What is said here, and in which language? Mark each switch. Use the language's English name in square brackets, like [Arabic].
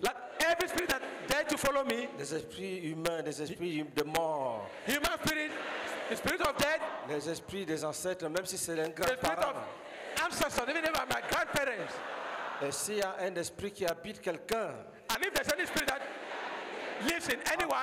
[English] like every spirit that dared to follow me, [French] les esprits humains, les esprits de mort, [English] human spirit, the spirit of death, [French] les esprits des ancêtres, même si c'est un grand-parent, [English] the spirit of ancestors, even if my grandparents, [French] et s'il y a un esprit qui habite quelqu'un, [English] and if there's any spirit that lives in anyone,